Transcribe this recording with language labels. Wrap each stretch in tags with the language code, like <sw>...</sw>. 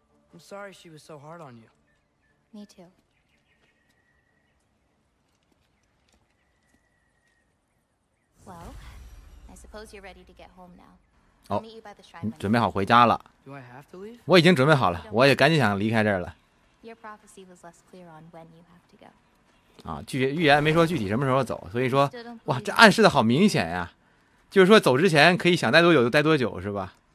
<en>I'm sorry she was so hard on you. Me too. Well, I suppose you're ready to get home now. I'll meet you by the shrine.</en> <zh>准备好回家了。</zh> <en>Do I have to leave?</en> <zh>我已经准备好了，我也赶紧想离开这儿了。</zh> <en>Your prophecy was less clear on when you have to go.</en> <zh>啊，预言没说具体什么时候走，所以说，哇，这暗示的好明显呀，就是说走之前可以想待多久就待多久，是吧？</zh>